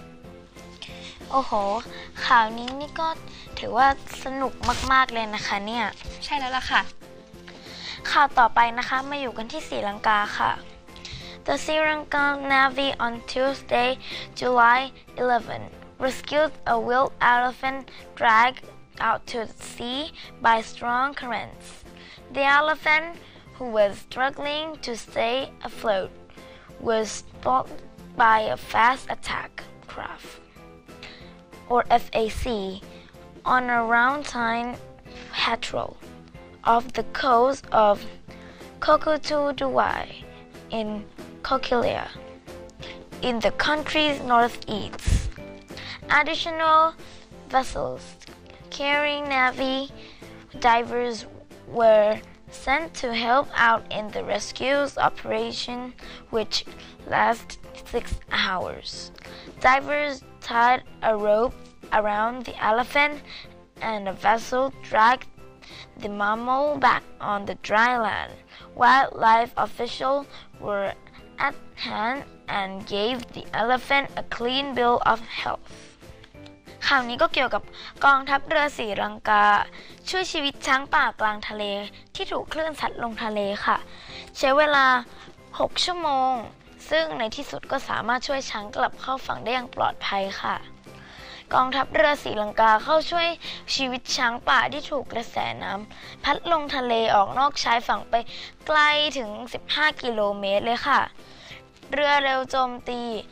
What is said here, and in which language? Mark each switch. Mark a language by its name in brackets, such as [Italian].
[Thai] ๆโอ้โหข่าวนี้นี่ก็ถือว่าสนุกมากๆเลยนะคะเนี่ย ใช่แล้วล่ะค่ะ ข่าวต่อไปนะคะมาอยู่กันที่ศรีลังกาค่ะ [English] The Sri Lankan Navy on Tuesday, July 11, rescued a wild elephant dragged out to sea by strong currents. The elephant, who was struggling to stay afloat, was spooked by a fast attack craft, or FAC, on a round-time patrol off the coast of Cocotuduwai in Coquilla, in the country's northeast. Additional vessels carrying Navy divers were sent to help out in the rescue operation, which lasted 6 hours. Divers tied a rope around the elephant, and a vessel dragged the mammal back on the dry land. Wildlife officials were at hand and gave the elephant a clean bill of health. [Thai] คราวนี้ก็เกี่ยวกับกองทัพเรือศรีลังกาช่วยชีวิตช้างป่ากลางทะเลที่ถูกคลื่นซัดลงทะเลค่ะใช้เวลา6ชั่วโมงซึ่งในที่สุดก็สามารถช่วยช้างกลับเข้าฝั่งได้อย่างปลอดภัยค่ะกองทัพเรือศรีลังกาเข้าช่วยชีวิตช้างป่าที่ถูกกระแสน้ำพัดลงทะเลออกนอกชายฝั่งไปไกลถึง15กิโลเมตรเลยค่ะเรือเร็วโจมตี